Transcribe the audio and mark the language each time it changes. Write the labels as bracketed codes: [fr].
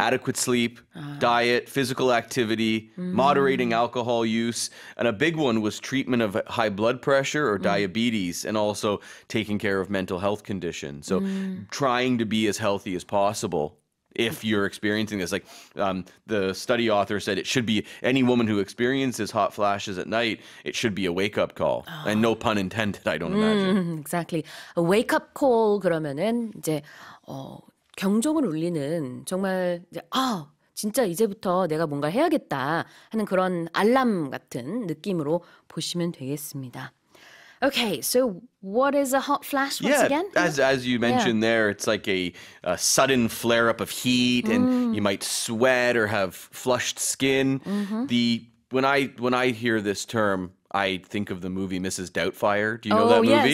[en] adequate sleep, diet, physical activity, moderating alcohol use, and a big one was treatment of high blood pressure or diabetes, and also taking care of mental health conditions. So trying to be as healthy as possible. If you're experiencing this, like the study author said, it should be any woman who experiences hot flashes at night, it should be a wake-up call. Oh. And no pun intended, I don't imagine. Exactly. A wake-up call, [ko] 그러면은 이제 경종을 울리는 정말 이제 진짜 이제부터 내가 뭔가 해야겠다 하는 그런 알람 같은 느낌으로 보시면 되겠습니다. [en] Okay, so what is a hot flash once again? As you mentioned there, it's like a sudden flare-up of heat, and you might sweat or have flushed skin. When I hear this term, I think of the movie Mrs. Doubtfire. Do you know that movie?